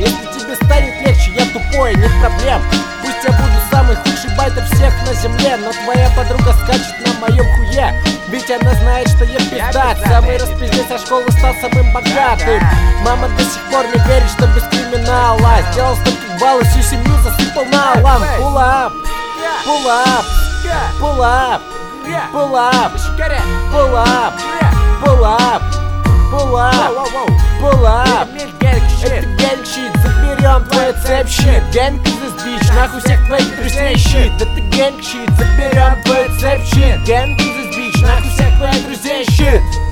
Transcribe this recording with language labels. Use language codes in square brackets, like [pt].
[ru] Если тебе станет легче, я тупой, нет проблем. Пусть я буду самый худший байтер всех на земле, но твоя подруга скачет на моем хуе. Ведь она знает, что я пизда. Самый распиздец со школы стал самым богатым. Мама до сих пор не верит, что без криминала. Сделал столько баллов, всю семью засыпал на алам. [en] Pull up, pull up, pull up, pull up, pull up, pull up, pull up, pull up. [ru] Это [en] gang shit, [ru] заберем твою цепь [en] shit. Gang is this bitch, [ru] нахуй всех твоих друзей [en] shit. [ru] Это [en] gang shit, [ru] заберем твою цепь [en] shit. Gang is this bitch, [ru] нахуй всех твоих друзей [en] shit.